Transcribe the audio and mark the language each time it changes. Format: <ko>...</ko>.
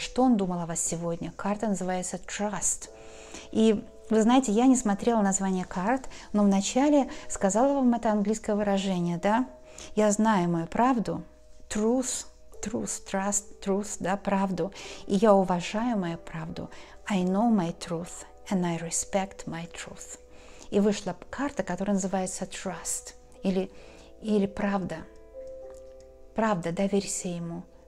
<ru>Что он думал о вас сегодня? Карта называется Trust. И вы знаете, я не смотрела название карт, но вначале сказала вам это английское выражение, да? Я знаю мою правду. Truth, trust, да, правду. И я уважаю мою правду.</ru> <en>I know my truth, and I respect my truth.</en> <ru>И вышла карта, которая называется trust, или правда. Правда, доверься ему.</ru>